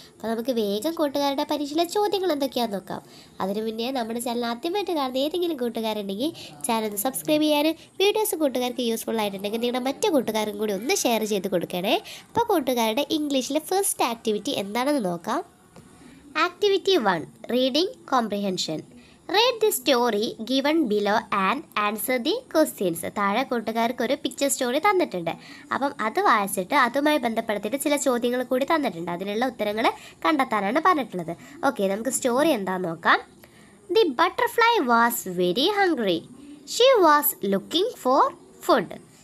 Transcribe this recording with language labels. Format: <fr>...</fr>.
<ml>അപ്പോൾ നമുക്ക് വേഗം കൂട്ടുകാരുടെ പരീക്ഷയിലെ ചോദ്യങ്ങൾ എന്തൊക്കെയാന്ന് നോക്കാം. അതിനു മുന്നേ നമ്മുടെ ചാനൽ ആദ്യമായിട്ട് കാണുന്ന ഏതെങ്കിലും കൂട്ടുകാരുണ്ടെങ്കിൽ ചാനൽ സബ്സ്ക്രൈബ് ചെയ്യാനും വീഡിയോസ് കൂട്ടുകാർക്ക് യൂസ്ഫുൾ ആയിട്ടുണ്ടെങ്കിൽ നിങ്ങളുടെ മറ്റു കൂട്ടുകാരും കൂടി ഒന്ന് ഷെയർ ചെയ്ത് കൊടുക്കണേ. അപ്പോൾ കൂട്ടുകാരുടെ ഇംഗ്ലീഷിലെ ഫസ്റ്റ് ആക്ടിവിറ്റി എന്താണെന്ന് നോക്കാം.</ml> <en>Activity 1. Reading Comprehension. Read the story given below and answer the questions.</en> <ml>താഴെ കൂട്ടുകാർക്ക് ഒരു പിക്ചർ സ്റ്റോറി തന്നിട്ടുണ്ട്. അപ്പം അത് വായിച്ചിട്ട് അതുമായി ബന്ധപ്പെടുത്തിയിട്ട് ചില ചോദ്യങ്ങൾ കൂടി തന്നിട്ടുണ്ട്. അതിനുള്ള ഉത്തരങ്ങൾ കണ്ടെത്താനാണ് പറഞ്ഞിട്ടുള്ളത്. ഓക്കെ, നമുക്ക് സ്റ്റോറി എന്താണെന്ന് നോക്കാം.</ml> <en>The butterfly was very hungry. She was looking for food.</en>